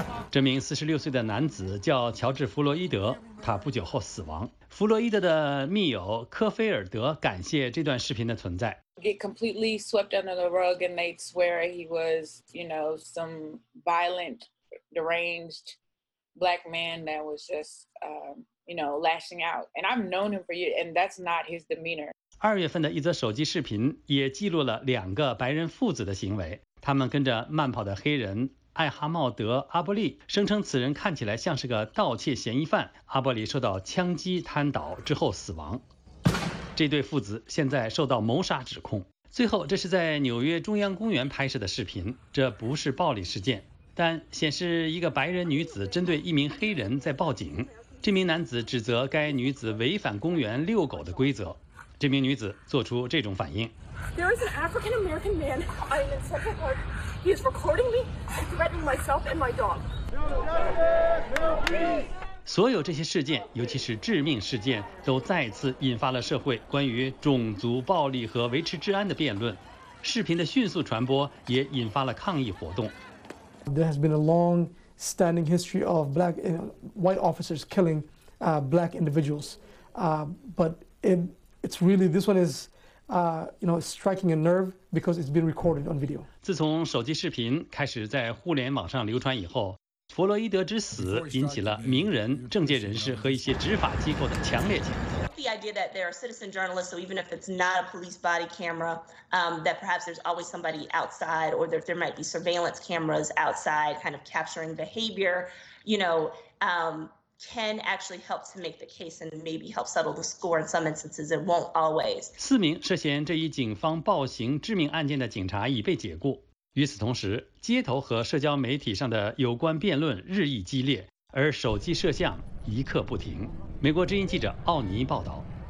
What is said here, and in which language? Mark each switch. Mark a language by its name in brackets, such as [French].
[Chinese] 这名46岁的男子叫乔治·弗洛伊德，他不久后死亡。弗洛伊德的密友科菲尔德感谢这段视频的存在。 [English] It completely swept under the rug, and they'd swear he was, you know, some violent, deranged black man that was just, you know, lashing out. And I've known him for years, and that's not his demeanor. [Chinese] 二月份的一则手机视频也记录了两个白人父子的行为，他们跟着慢跑的黑人艾哈茂德·阿波利，声称此人看起来像是个盗窃嫌疑犯。阿波利受到枪击瘫倒之后死亡。这对父子现在受到谋杀指控。最后，这是在纽约中央公园拍摄的视频，这不是暴力事件，但显示一个白人女子针对一名黑人在报警。这名男子指责该女子违反公园遛狗的规则。这名女子做出这种反应。 [English] There is an African American man. I am in Central Park. He is recording me and threatening myself and my dog. [Chinese] 所有这些事件，尤其是致命事件，都再次引发了社会关于种族暴力和维持治安的辩论。视频的迅速传播也引发了抗议活动。 [English] There has been a long-standing history of black and white officers killing black individuals, but it's really this one is, you know, striking a nerve because it's been recorded on video. [Chinese] 自从手机视频开始在互联网上流传以后。弗洛伊德之死引起了名人、政界人士和一些执法机构的强烈谴责。 [English] The idea that there are citizen journalists, so even if it's not a police body camera, that perhaps there's always somebody outside, or that there might be surveillance cameras outside, kind of capturing behavior, you know, can actually help to make the case and maybe help settle the score in some instances. It won't always. [Chinese] 四名涉嫌这一警方暴行致命案件的警察已被解雇。与此同时，街头和社交媒体上的有关辩论日益激烈，而手机摄像一刻不停。美国之音记者奥尼报道。